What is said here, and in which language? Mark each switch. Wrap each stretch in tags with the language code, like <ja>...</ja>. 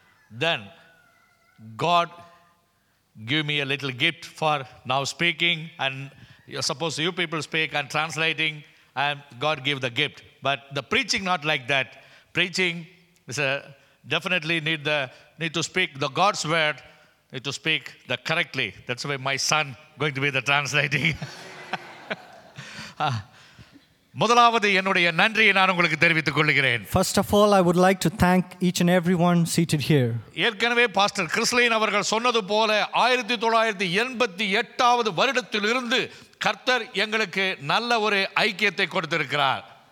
<en>Then God give me a little gift for now speaking, and you're supposed to, you people speak and translating. And God gave the gift. But the preaching not like that. Preaching is definitely need to speak the God's word, need to speak the correctly. That's why my son going to be the translating.</en> <ta>முதலாவது என்னுடைய நன்றியை நான் உங்களுக்கு தெரிவித்துக் கொள்கிறேன்.</ta> <en>First of all, I would like to thank each and everyone seated here.</en> <ta>ஏற்கனவே pastor Chris Lynn அவர்கள் சொன்னது போல 1988 வருடத்திலிருந்து கர்த்தர் எங்களுக்கு நல்ல ஒரு ஐக்கியத்தை கொடுத்திருக்கிறார்.</ta>